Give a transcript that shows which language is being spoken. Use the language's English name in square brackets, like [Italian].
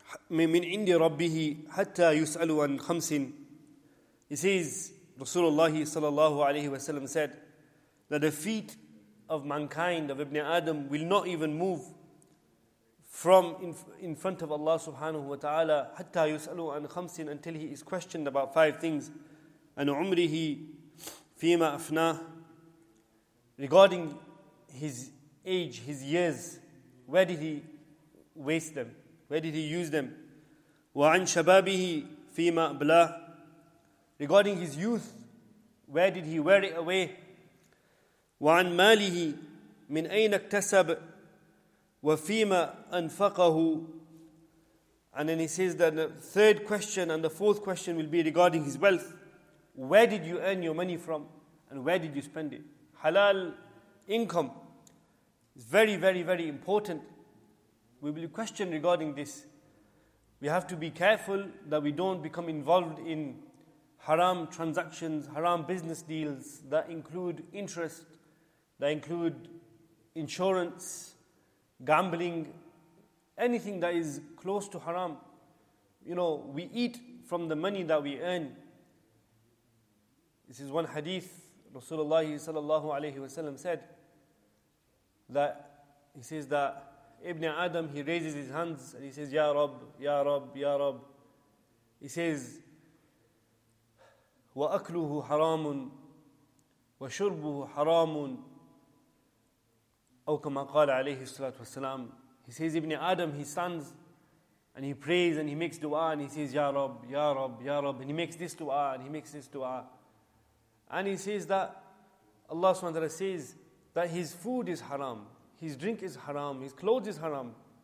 [Arabic] من عند ربه حتى يسأل عن خمس. [English] He says, Rasulullah sallallahu alayhi wa sallam said that the feet of mankind, of Ibn Adam, will not even move from in front of Allah subhanahu wa ta'ala [Arabic] حتى يسأل عن خمس, [English] until he is questioned about five things. And [Arabic] عمره فيما أفناه, [English] regarding his age, his years, where did he waste them? Where did he use them? [Arabic] وعن شبابه فيما أبلاه, [English] regarding his youth, where did he wear it away? [Arabic] وعن ماله من أين اكتسب وفيما أنفقه. [English] And then he says that the third question and the fourth question will be regarding his wealth. Where did you earn your money from and where did you spend it? Halal income is very, very, very important. We will question regarding this. We have to be careful that we don't become involved in haram transactions, haram business deals that include interest, that include insurance, gambling, anything that is close to haram. You know, we eat from the money that we earn. This is one hadith. Rasulullah sallallahu alayhi wa sallam said that, he says that Ibn Adam, he raises his hands and he says, Ya Rab, Ya Rab, Ya Rab. He says, [Arabic] وأكله حرام وشربه حرام أو كما قال عليه الصلاة والسلام. [English] He says, Ibn Adam, he stands and he prays and he makes dua and he says, Ya Rab, Ya Rab, Ya Rab, and he makes this dua and he makes this dua. And he says that Allah subhanahu wa ta'ala says that his food is haram, his drink is haram, his clothes is haram.